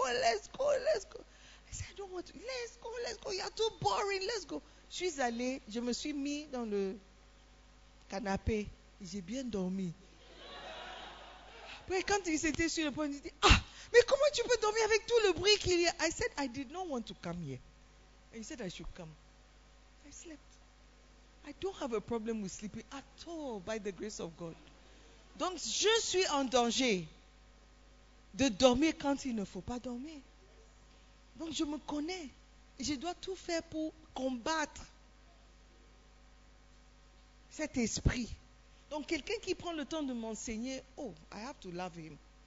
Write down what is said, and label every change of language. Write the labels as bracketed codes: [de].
[en] I said, I don't want to. Let's go. You're too boring. Let's go. [fr] Je suis allée. Je me suis mis dans le canapé. J'ai bien dormi. Mais quand ils étaient sur le point, ils disaient, ah, mais comment tu peux dormir avec tout le bruit qu'il y a? [en] I said, I did not want to come here. And he said, I should come. I slept. I don't have a problem with sleeping at all by the grace of God. [fr] Donc, je suis en danger de dormir quand il ne faut pas dormir. Donc, je me connais. Je dois tout faire pour combattre cet esprit. Donc, quelqu'un qui prend le temps de m'enseigner, [en] oh, I have to love him.